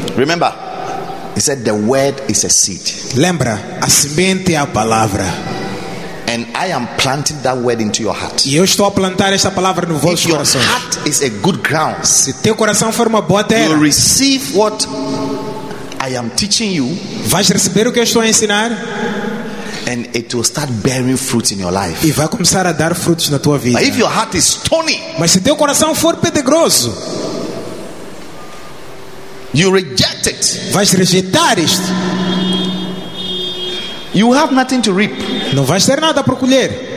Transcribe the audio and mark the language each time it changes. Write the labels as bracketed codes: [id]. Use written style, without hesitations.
[en] Remember, he said the word is a seed. [pt] Lembra, a semente é a palavra. [en] And I am planting that word into your heart. [pt] E eu estou a plantar esta palavra no vosso coração. [en] If your heart is a good ground, [pt] se teu coração for uma boa terra, [en] you will receive what I am teaching you. [pt] Vais receber o que eu estou a ensinar. [en] And it will start bearing fruit in your life. [pt] E vai começar a dar frutos na tua vida. [en] But if your heart is stony, [pt] mas se teu coração for pedregoso, [en] you reject it. [pt] Vais rejeitar isto. [en] You have nothing to reap. [pt] Não vais ter nada para colher.